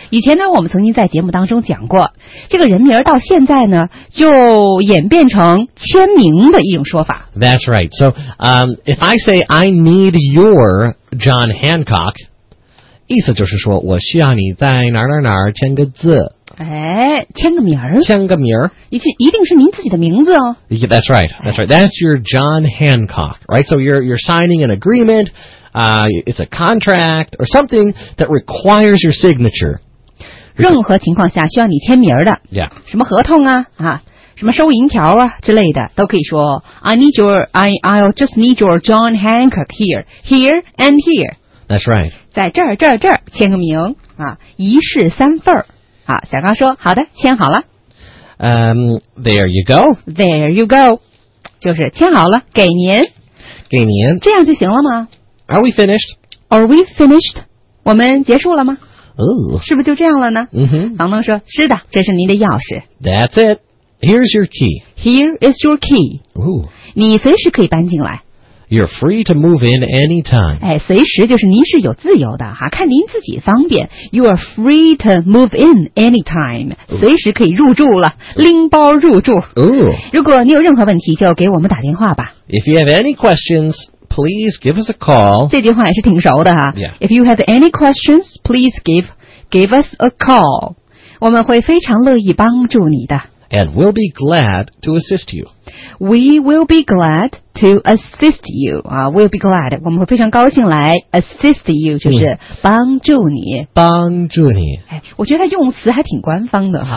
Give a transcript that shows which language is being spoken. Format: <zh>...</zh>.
<zh>以前呢，我们曾经在节目当中讲过，这个人名儿到现在呢，就演变成签名的一种说法。</zh> <en>That's right. So, if I say I need your John Hancock,</en> <zh>意思就是说我需要你在哪儿哪儿哪儿签个字。哎，签个名儿，签个名儿，一定是您自己的名字哦。</zh> <en>Yeah, that's right, that's right. That's your John Hancock, right? So you're signing an agreement, it's a contract or something that requires your signature.</en> <zh>任何情况下需要你签名的</zh> <en>，Yeah，</en> <zh>什么合同啊，什么收银条啊之类的，都可以说</zh> <en>I'll just need your John Hancock here and here. That's right.</en> <zh>在这儿签个名啊，一式三份儿。好，小高说好的，签好了。</zh> <en>There you go，</en> <zh>就是签好了，给您，这样就行了吗</zh> <en>？Are we finished？</en> <zh>我们结束了吗？哦，是不是就这样了呢？嗯哼，房东说，是的，这是您的钥匙。</zh> <en>That's it. Here's your key. Here is your key. 哦，</en> <zh>你随时可以搬进来。</zh> <en>You're free to move in anytime.</en> <zh>哎，随时就是您是有自由的哈，看您自己方便。</zh> <en>You are free to move in anytime.</en> <zh>随时可以入住了，拎包入住。 Ooh. 如果你有任何问题，就给我们打电话吧。</zh> <en>If you have any questions, please give us a call.</en> <zh>这句话也是挺熟的哈。</zh> <en>Yeah. If you have any questions, please give us a call.</en> <zh>我们会非常乐意帮助你的。</zh> <en>And we'll be glad to assist you. We will be glad to assist you. We'll be glad.</en> <zh>我们会非常高兴来 assist you, 就是帮助你。帮助你。哎，我觉得它用词还挺官方的哈。</zh>